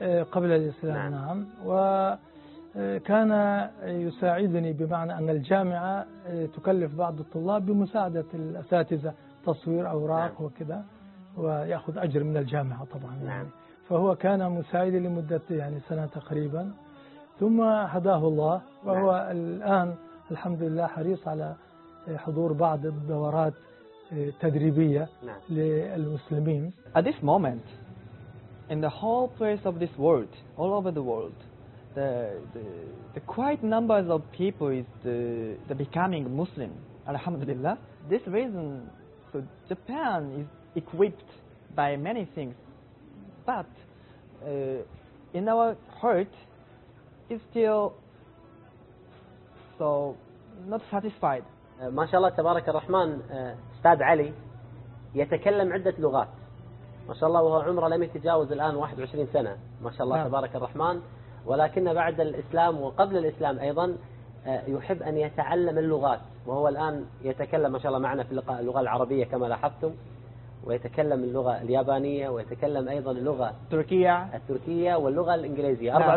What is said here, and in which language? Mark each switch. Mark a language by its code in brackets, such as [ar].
[ar] قبل الإسلام نعم وكان يساعدني بمعنى أن الجامعة تكلف بعض الطلاب بمساعدة الأساتذة تصوير أوراق وكذا ويأخذ أجر من الجامعة طبعا فهو كان مساعدي لمدة يعني سنة تقريبا ثم هداه الله وهو الآن الحمد لله حريص على حضور بعض الدورات تدريبية للمسلمين. [en] At this moment, in the whole place of this world, all over the world, the quite numbers of people is the becoming Muslim. Alhamdulillah. This reason, so Japan is equipped by many things, but in our heart, is still so. Not satisfied. [ar] ما شاء الله تبارك الرحمن أستاذ علي يتكلم عدة لغات ما شاء الله وهو عمره لم يتجاوز الآن 21 سنة ما شاء الله تبارك الرحمن ولكن بعد الإسلام وقبل الإسلام أيضا يحب أن يتعلم اللغات وهو الآن يتكلم ما شاء الله معنا في اللقاء اللغة العربية كما لاحظتم ويتكلم اللغة اليابانية ويتكلم أيضا اللغة التركية واللغة الإنجليزية أربع